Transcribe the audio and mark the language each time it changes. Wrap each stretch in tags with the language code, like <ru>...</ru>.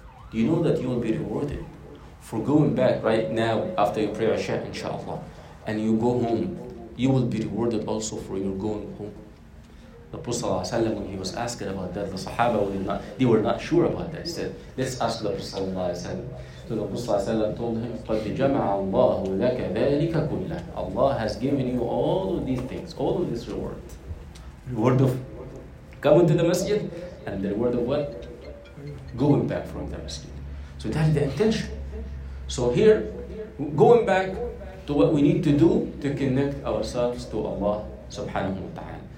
<en>Do you know that you will be rewarded for going back right now after you pray Isha, inshaAllah, and you go home? You will be rewarded also for your going home. The Prophet, when he was asked about that, the Sahaba, they were not sure about that. He said, let's ask the Prophet. So the Prophet told him,</en> <ar>قَدْ جَمَعَ اللَّهُ لَكَ ذَلِكَ كُلَّهُ.</ar> <en>Allah has given you all of these things, all of this reward. Reward of coming to the masjid, and the reward of what? Going back from the masjid. So that is the intention. So here, going back to what we need to do to connect ourselves to Allah subhanahu wa ta'ala.</en>